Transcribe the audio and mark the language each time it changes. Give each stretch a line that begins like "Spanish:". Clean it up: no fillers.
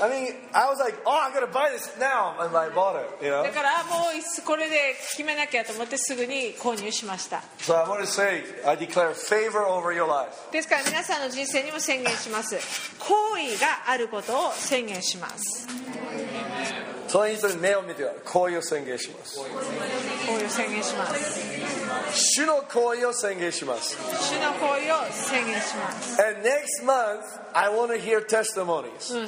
English: I mean, I was like, oh, I gotta buy this now, and I bought it. You know?
Japanese: だからもうこれで決めなきゃと思ってすぐに購入しました。
English: So I want to say, I declare favor over your life.
Japanese: ですから皆さんの人生にも宣言します。好意があることを宣言します。その人に目を見ては好意を宣言します。好意を宣言します。主の好意を宣言します。主の好意を宣言します。
English: And next month I want to hear testimonies.